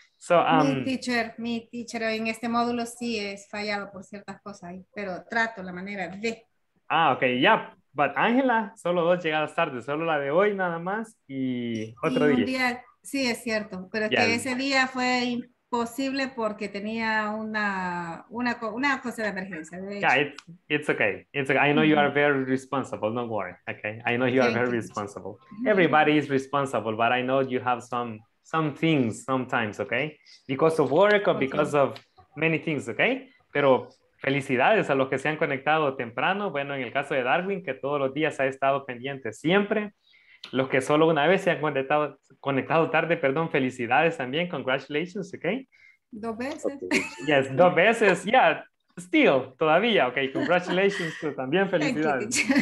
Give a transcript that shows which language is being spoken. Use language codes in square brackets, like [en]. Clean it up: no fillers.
[es] So, mi teacher, en este módulo sí es fallado por ciertas cosas, pero trato la manera de. [en] Ah, okay. Yep. But [es] Angela, solo dos llegadas tarde. Solo la de hoy nada más y otro y día. Sí, es cierto, pero es que ese día fue imposible porque tenía una cosa de emergencia. De hecho. [en] Yeah, it's okay. It's okay. I know you are very responsible. Don't worry. Okay. I know you are very responsible. Everybody is responsible, but I know you have some things sometimes, okay? Because of work or because of many things, okay? [es] Pero felicidades a los que se han conectado temprano. Bueno, en el caso de Darwin, que todos los días ha estado pendiente siempre. Los que solo una vez se han conectado tarde, perdón, felicidades también, congratulations, okay? Dos veces. [en] Yes, [es] dos veces, [en] yeah, still, [es] todavía, [en] okay, congratulations, [es] también felicidades.